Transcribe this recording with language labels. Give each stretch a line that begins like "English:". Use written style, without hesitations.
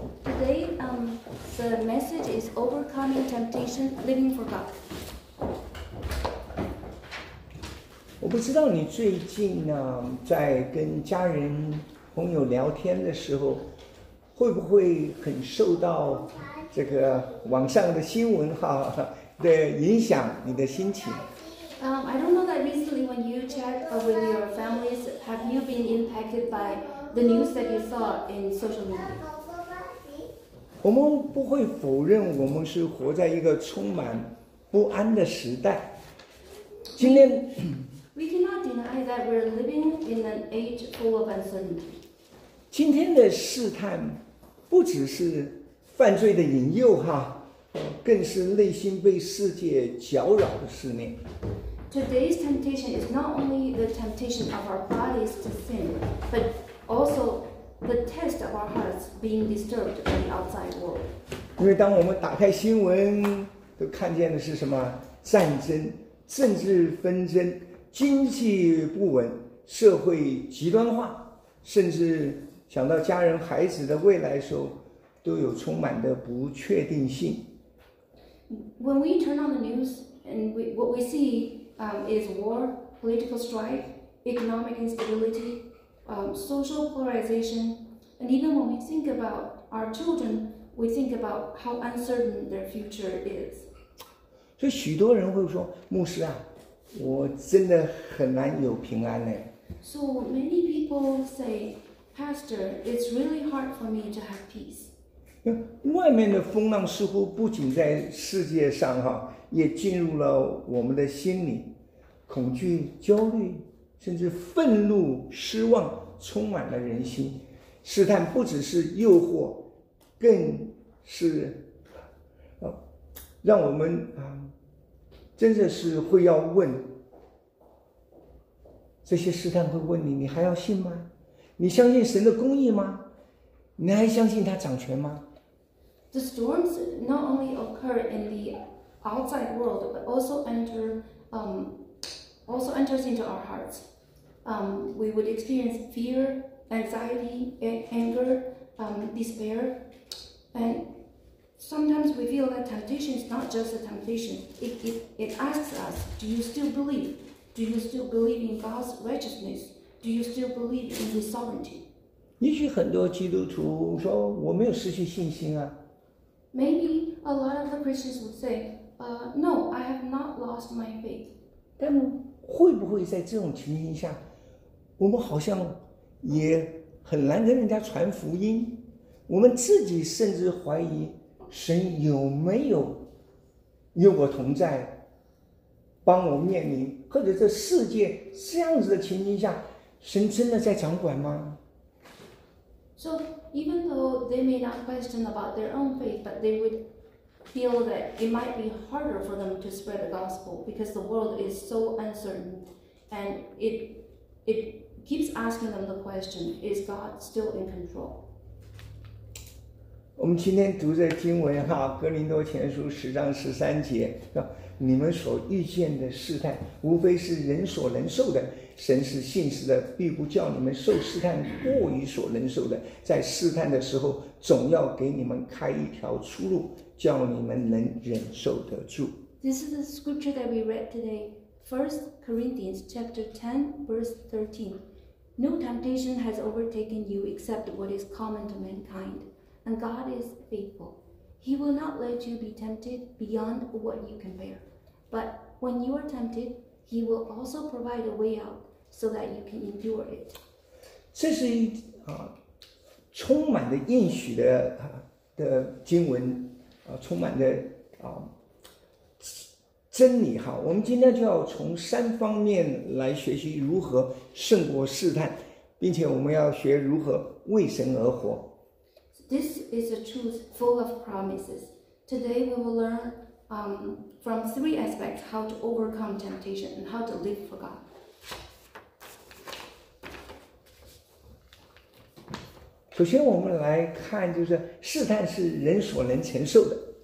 English: Today, the message is overcoming temptation, living for God.
Chinese: 我不知道你最近呢，在跟家人朋友聊天的时候，会不会很受到这个网上的新闻哈的影响你的心情？
English: I don't know that recently when you chat with your families, have you been impacted by the news that you saw in social media?
Chinese: 我们不会否认我们是活在一个充满不安的时代。今天
English: We cannot deny that we're living in an age full of uncertainty.
Chinese: 今天的试探不只是犯罪的引诱哈，更是内心被世界搅扰的思念。
English: Today's temptation is not only the temptation of our bodies to sin, but also the test of our hearts being disturbed by the outside world.
Chinese: 因为当我们打开新闻，都看见的是什么？战争、政治纷争、经济不稳、社会极端化，甚至想到家人孩子的未来时候，都有充满的不确定性。
English: When we turn on the news, and what we see, is war, political strife, economic instability, social polarization, and even when we think about our children, we think about how uncertain their future is.
Chinese: 所以许多人会说，牧师啊，我真的很难有平安嘞。
English: So many people say,Pastor, it's really hard for me to have peace.
Chinese: 外面的风浪似乎不仅在世界上哈，也进入了我们的心里，恐惧、焦虑，甚至愤怒、失望，充满了人心。试探不只是诱惑，更是让我们啊，真的是会要问这些试探会问你，你还要信吗？你相信神的公义吗？你还相信他掌权吗？
English: The storms not only occur in the outside world, but also enters into our hearts. We would experience fear, anxiety, anger, despair. And sometimes we feel that temptation is not just a temptation. It asks us, do you still believe? Do you still believe in God's righteousness? Do you still believe in His sovereignty?
Chinese: 也许很多基督徒说我没有失去信心啊。
English: Maybe a lot of the Christians would say, "No, I have not lost my faith."
Chinese: 但会不会在这种情形下，我们好像也很难跟人家传福音？我们自己甚至怀疑神有没有与我同在，帮我面临，或者这世界这样子的情形下。神真的在掌管吗？
English: So even though they may not question about their own faith, but they would feel that it might be harder for them to spread the gospel because the world is so uncertain, and it keeps asking them the question: Is God still in control?
Chinese: 我们今天读这经文哈，《哥林多前书》十章十三节，你们所遇见的试探，无非是人所能受的。神是信实的，必不叫你们受试探过于所能受的。在试探的时候，总要给你们开一条出路，叫你们能忍受得住。
English: This is the scripture that we read today, 1 Corinthians chapter 10, verse 13. No temptation has overtaken you except what is common to mankind, and God is faithful. He will not let you be tempted beyond what you can bear. But when you are tempted,He will also provide a way out so that you can endure it.
Chinese: 这是一啊，充满的应许的啊的经文啊，充满的啊真理哈。我们今天就要从三方面来学习如何胜过试探，并且我们要学如何为神而活。
English: This is a truth full of promises. Today we will learn. From three aspects, how to overcome temptation and how to live for God.
Chinese: 首先我们来看，就是试探是人所能承受的。